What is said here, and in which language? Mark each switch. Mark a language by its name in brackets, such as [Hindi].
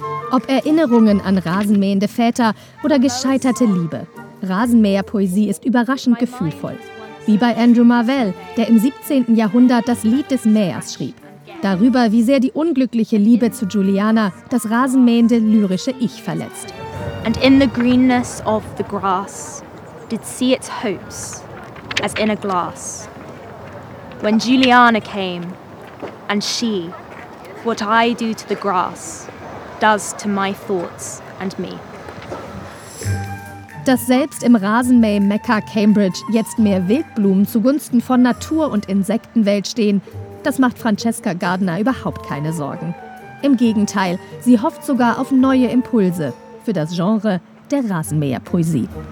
[German] Ob Erinnerungen an rasenmähende Väter oder gescheiterte Liebe, Rasenmäher-Poesie ist überraschend gefühlvoll. Wie bei Andrew Marvell, der im 17. Jahrhundert das Lied des Mähers schrieb. Darüber, wie sehr die unglückliche Liebe zu Juliana das rasenmähende lyrische Ich verletzt. [English] And in the greenness of the grass did see its hopes as in a glass. When Juliana came and she, what I do to the grass does to my thoughts and me. [German] Dass selbst im Rasenmäh-Mekka Cambridge jetzt mehr Wildblumen zugunsten von Natur- und Insektenwelt stehen, das macht Francesca Gardner überhaupt keine Sorgen. Im Gegenteil, sie hofft sogar auf neue Impulse für das Genre der Rasenmäher-Poesie.